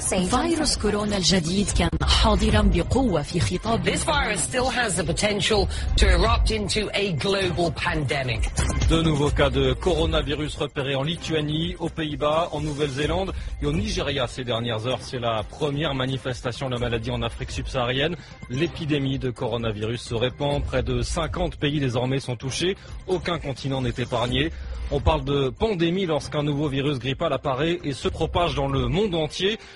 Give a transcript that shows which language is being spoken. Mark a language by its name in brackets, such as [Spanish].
[Arabic] فيروس كورونا الجديد كان حاضرا بقوة في خطاب. [English] This virus still has the potential to erupt into a global pandemic. [French] De nouveaux cas de coronavirus repérés en Lituanie, aux Pays-Bas, en Nouvelle-Zélande et au Nigeria ces dernières heures. C'est la première manifestation de la maladie en Afrique subsaharienne. L'épidémie de coronavirus se répand. Près de 50 pays désormais sont touchés. Aucun continent n'est épargné. On parle de pandémie lorsqu'un nouveau virus grippal apparaît et se propage dans le monde entier.